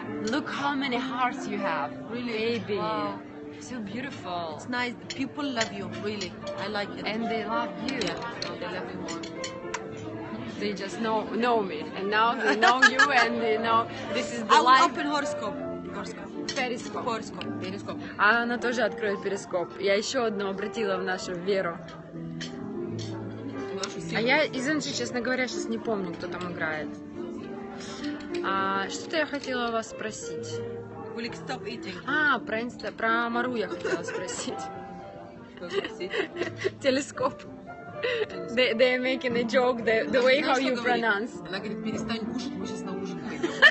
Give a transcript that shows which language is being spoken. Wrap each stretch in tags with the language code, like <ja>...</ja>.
<en>Look how many hearts you have. Really? Baby. Wow. So beautiful. It's nice. People love you, really. I like it. And they love you. Yeah. They love you more. They just know me. And now they know you and they know this is the life. Open horoscope.</en> <ru>Перископ. А она тоже откроет перископ. Я еще одно обратила в нашу веру. А я, извините, честно говоря, сейчас не помню, кто там играет. А, что-то я хотела вас спросить.</ru> <en>Will you stop eating?</en> <ru>А, про Мару я хотела спросить. Телескоп.</ru> <en>They are making a joke, the way how you pronounce.</en> <ru>Она говорит, перестань кушать, мы сейчас на ужин пойдем.</ru>